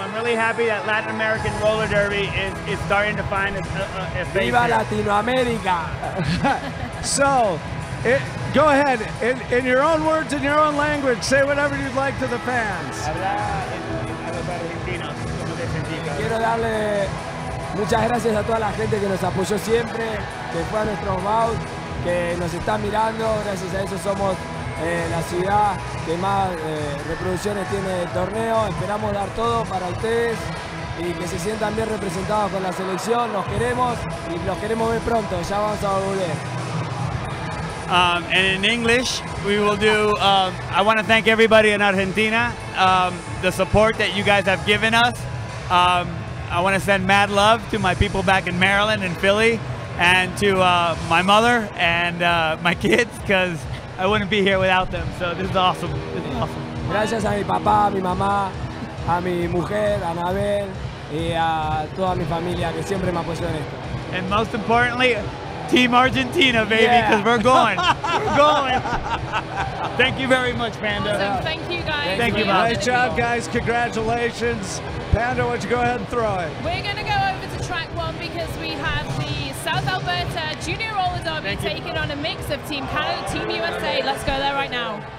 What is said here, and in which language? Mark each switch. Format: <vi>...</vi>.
<en>I'm really happy that Latin American Roller Derby is starting to find its base.</en> <es>Viva Latinoamerica.</es> <en>Go ahead. In your own words, in your own language, say whatever you'd like to the fans.</en> <es>Quiero darle muchas gracias a toda la gente que nos apoyó siempre, que fue a nuestro bout. Que nos está mirando, gracias a eso somos la ciudad que más reproducciones tiene del torneo. Esperamos dar todo para ustedes y que se sientan bien representados con la selección. Los queremos y los queremos ver pronto. Ya vamos a volver.</es> <en>And in English, we will do. I want to thank everybody in Argentina, the support that you guys have given us. I want to send mad love to my people back in Maryland and Philly. And to my mother and my kids, because I wouldn't be here without them. So this is awesome.</en> <es>Gracias a mi papá, mi mamá. a mi mujer, Anabel, y a toda mi familia que siempre me apoyó en esto.</es> <en>And most importantly, Team Argentina, baby, because we're going. We're going. Thank you very much, Panda. Awesome. Thank you, guys. Thank you, Mom. Nice job, guys. Congratulations. Panda, why don't you go ahead and throw it? We're going to go over to track one because we have the South Alberta Junior Roller Derby taking on a mix of Team Canada, Team USA. Let's go there right now.</en>